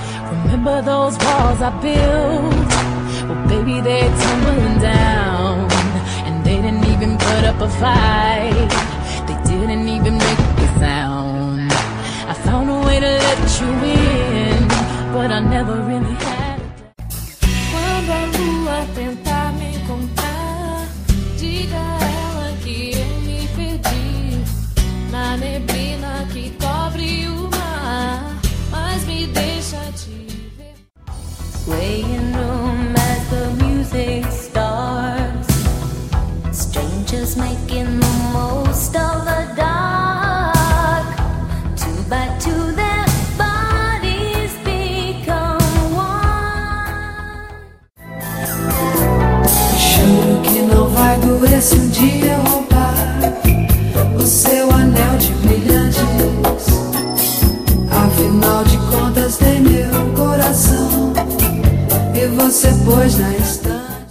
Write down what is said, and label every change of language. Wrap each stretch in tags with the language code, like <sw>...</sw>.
<en>Remember those walls I built? Well, baby, they're tumbling down. Didn't even put up a fight. They didn't even make a sound. I found a way to let you in, but I never really had a...</en> <pt>Quando a lua tentar me encontrar, diga a ela que eu me perdi na neblina que cobre o mar, mas me deixa te ver.</pt> <en>Way in romance, the music starts. Just making the most of the dark. Two by two, their bodies become one.</en> <pt>Juro que não vai doer se um dia eu roubar o seu anel de brilhantes. Afinal de contas, tem meu coração e você pôs na estante.</pt>